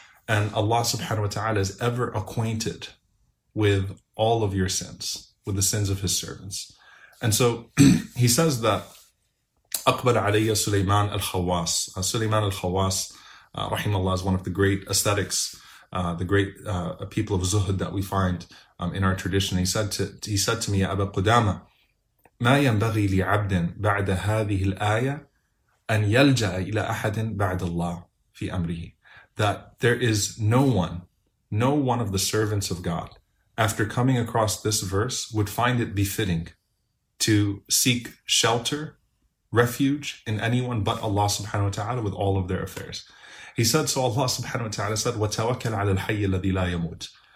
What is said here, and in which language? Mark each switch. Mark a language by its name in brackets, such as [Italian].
[English] And Allah subhanahu wa ta'ala is ever acquainted with all of your sins, with the sins of his servants. And so he says that [Arabic] أقبل علي سليمان الخواص. [English] Sulaiman al-Khawas, rahimahullah, is one of the great ascetics, the great people of Zuhud that we find in our tradition. He said to me, Ya Aba Qudama, [Arabic] مَا يَنْبَغِي لِعَبْدٍ بَعْدَ هَذِهِ الْآيَةِ أَنْ يَلْجَأَ إِلَىٰ أَحَدٍ بَعْدَ اللَّهِ فِي أَمْرِهِ. [English] That there is no one of the servants of God, after coming across this verse, would find it befitting to seek shelter, refuge in anyone but Allah subhanahu wa ta'ala with all of their affairs. He said, so Allah subhanahu wa ta'ala said, [Arabic] وَتَوَكَلْ عَلَى الْحَيِّ الَّذِي لَا يَمُوتُ.